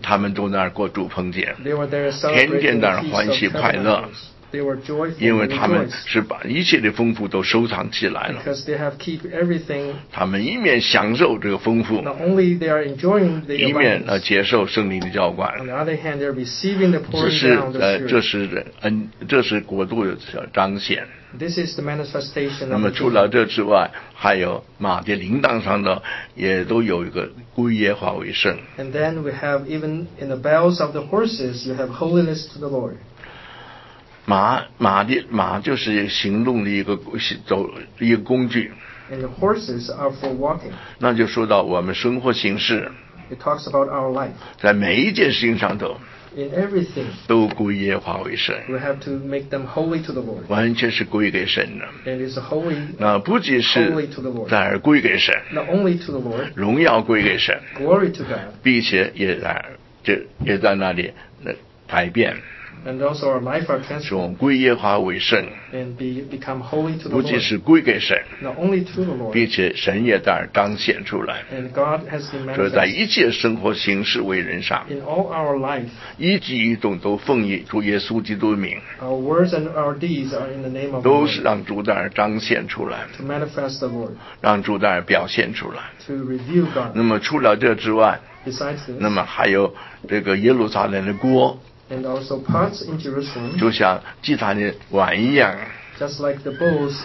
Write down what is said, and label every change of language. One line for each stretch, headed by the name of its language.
Chinese: 他们都在那儿过住棚节。
English: They were there celebrating.
Chinese: 天天在那儿欢喜快乐。
English: They were joyful.
Chinese: 因为他们是把一切的丰富都收藏起来了。
English: Because they have kept everything.
Chinese: 他们一面享受这个丰富。
English: Not only they are enjoying the abundance.
Chinese: 一面呢接受圣灵的浇灌。
English: On the other hand, they are receiving the pouring down of the Spirit.
Chinese: 这是国度的彰显。
English: This is the manifestation.
Chinese: 那么除了这之外，还有马的铃铛上的也都有一个归耶和华为圣。
English: And then we have even in the bells of the horses, you have holiness to the Lord.
Chinese: 马就是行动的一个工具。
English: And the horses are for walking.
Chinese: 那就说到我们生活形式。
English: It talks about our life.
Chinese: 在每一件事情上头。
English: In everything,
Chinese: 都归耶和华为圣。
English: We have to make them holy to the Lord.
Chinese: 完全是归给神的。
English: And it's holy.
Chinese: 那不仅是在而归给神。
English: Not only to the Lord.
Chinese: 荣耀归给神。
English: Glory to God.
Chinese: 并且也在那里那改变。
English: And also our life are transformed.
Chinese: 说归耶和华为圣。
English: And become holy to the Lord.
Chinese: 不仅是归给神。
English: Not only to the Lord.
Chinese: 并且神也在而彰显出来。
English: And God has been manifested.
Chinese: 就在一切生活形式为人上。
English: In all our life.
Chinese: 一举一动都奉以主耶稣基督的名。
English: Our words and our deeds are in the name of God.
Chinese: 都是让主在而彰显出来。
English: To manifest the Lord.
Chinese: 让主在而表现出来。
English: To reveal God.
Chinese: 那么除了这之外。
English: Besides this.
Chinese: 那么还有这个耶路撒冷的锅。
English: And also pots in Jerusalem,
Chinese: 就像祭坛的碗一样。
English: Just like the bowls,